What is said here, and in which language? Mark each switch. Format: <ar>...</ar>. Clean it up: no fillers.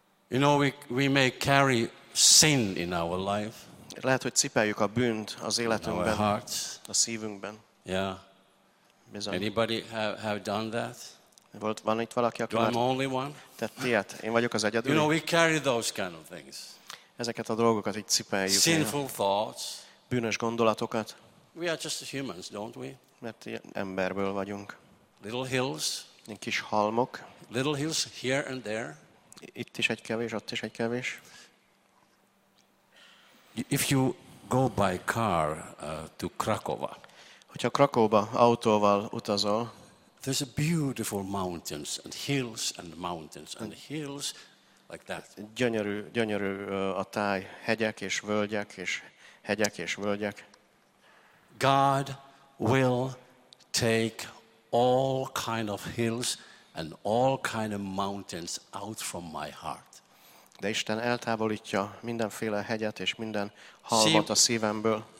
<en>You know, we may carry sin in our life.</en> <hu>Lehet, hogy cipeljük a bűnt az életünkben.</hu> <en>In our hearts.</en> <hu>A szívünkben.</hu> <en>Yeah.</en> <hu>Bizony.</hu> <en>Anybody have done that?</en> <hu>Volt, van itt valaki, aki</hu> <en>I'm only one?</en> <hu>Tett ilyet. Én vagyok az egyedül.</hu> <en>You know, we carry those kind of things.</en> <hu>Ezeket a dolgokat így cipeljük.</hu> <en>Sinful thoughts.</en> <hu>Bűnös gondolatokat.</hu> <en>We are just humans, don't we?</en> <hu>Mert emberből vagyunk.</hu> <en>Little hills.</en> <hu>Kis halmok.</hu> <en>Little hills here and there.</en> <hu>Itt is egy kevés, ott is egy kevés.</hu> <en>If you go by car to Krakow.</en> <hu>Hogyha Krakóba autóval utazol.</hu> <en>There's a beautiful mountains and hills and mountains and hills like that.</en> <hu>Gyönyörű a táj, hegyek és völgyek és hegyek és völgyek.</hu> <en>God will take all kind of hills and all kind of mountains out from my heart.</en> <hu>De Isten eltávolítja mindenféle hegyet és minden halmat a szívemből.</hu>